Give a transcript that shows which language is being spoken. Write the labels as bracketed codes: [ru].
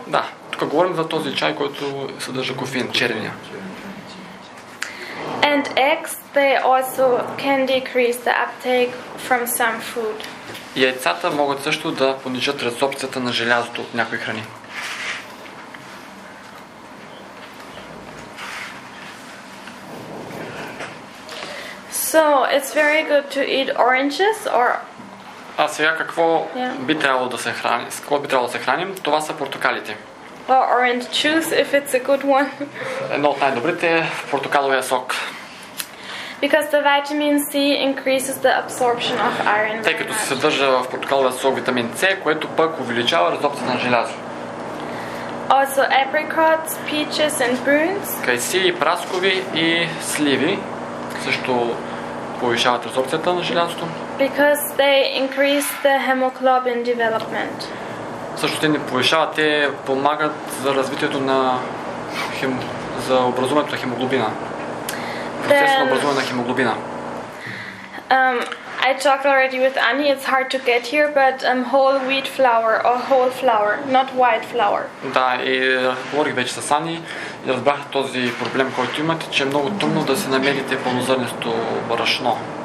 [bg] Да, тук говорим за този чай, който съдържа кофеин, черния. [en] And eggs, they also can decrease the uptake from some food. [bg] Яйцата могат също да понижат резорбцията на желязото от някои храни. [en] So, it's very good to eat oranges or [bg] А сега какво би трябвало да се храним? С какво би трябвало да се храним? Това са портокалите. [en] Or orange juice if it's a good one. [bg] Едно от най-добрите е портокаловия сок. [en] Because the vitamin C increases the absorption of iron. [bg] Тъй като се съдържа в портокаловия сок витамин С, което пък увеличава разобщаването на желязо. [en] Also apricots, peaches and prunes. [bg] Кайси, праскови и сливи също повишават разобщаването на желязото. [en] Because they increase the hemoglobin development. [bg] Също те не повишават, те помагат за развитието на за образуването на хемоглобина. Процесът на образуване на хемоглобина. [en] I talked already with Annie, it's hard to get here, but whole wheat flour or whole flour, not white flour. [bg] Да, и говорих вече с Ани и разбрах този проблем, който имате, че е много трудно да се намерите пълнозърнесто брашно.